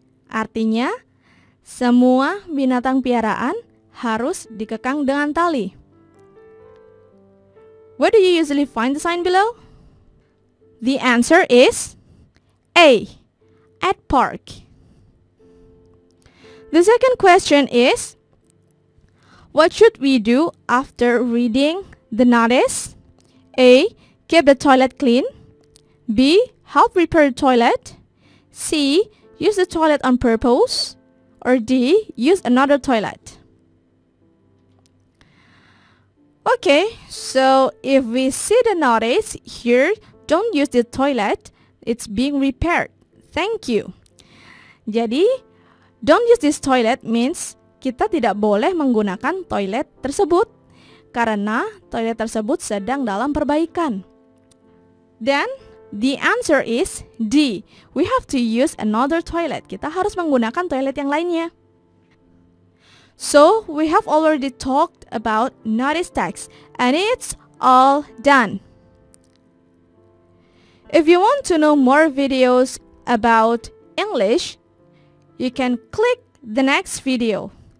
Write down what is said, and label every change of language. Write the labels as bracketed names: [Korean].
[Indonesian] Artinya, semua binatang piaraan harus dikekang dengan tali. [English] Where do you usually find the sign below? The answer is A. At park. The second question is, what should we do after reading the notice? A. Keep the toilet clean. B. Help repair the toilet. C. Use the toilet on purpose. Or D. Use another toilet. Okay, so if we see the notice here, don't use the toilet, it's being repaired. Thank you. [Indonesian] Jadi, [English] don't use this toilet means [Indonesian] kita tidak boleh menggunakan toilet tersebut karena toilet tersebut sedang dalam perbaikan. [English] Then, the answer is D. We have to use another toilet. [Indonesian] Kita harus menggunakan toilet yang lainnya. [English] So, we have already talked about notice text, and it's all done. If you want to know more videos about English, you can click the next video.